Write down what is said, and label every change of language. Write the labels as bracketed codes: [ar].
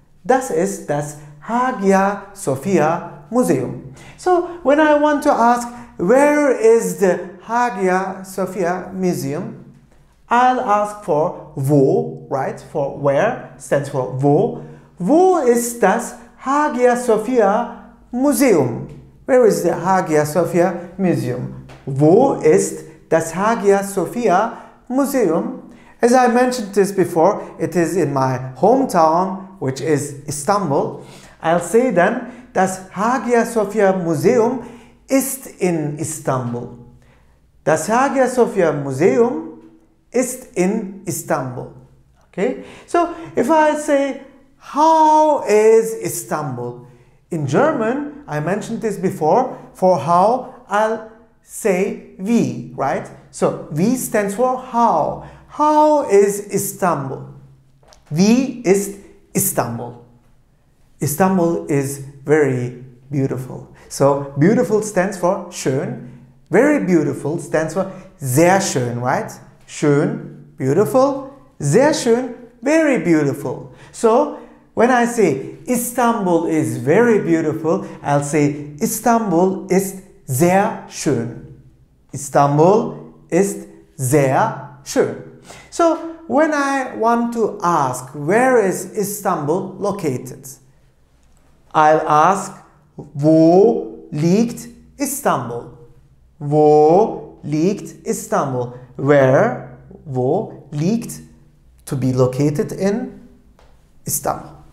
[de] Das ist das Hagia Sophia Museum. [en] So, when I want to ask where is the Hagia Sophia Museum, I'll ask for wo, right? For where stands for wo. [de] Wo ist das Hagia Sophia Museum? [en] Where is the Hagia Sophia Museum? [de] Wo ist das Hagia Sophia Museum? [en] As I mentioned this before, it is in my hometown, which is Istanbul. I'll say then, [de] das Hagia Sophia Museum ist in Istanbul. Das Hagia Sophia Museum ist in Istanbul. [en] Okay? So, if I say, how is Istanbul? In German, I mentioned this before, for how, I'll say wie, right? So, wie stands for how. How is Istanbul? [de] Wie ist Istanbul? [en] Istanbul is very beautiful. So, beautiful stands for schön. Very beautiful stands for [de] sehr schön, [en] right? [de] Schön, beautiful. Sehr schön, [en] very beautiful. So, when I say Istanbul is very beautiful, I'll say [de] Istanbul ist sehr schön. Istanbul ist sehr schön. [en] So, when I want to ask where is Istanbul located, I'll ask, [de] wo liegt Istanbul? Wo liegt Istanbul? [en] Where, wo liegt, to be located in Istanbul.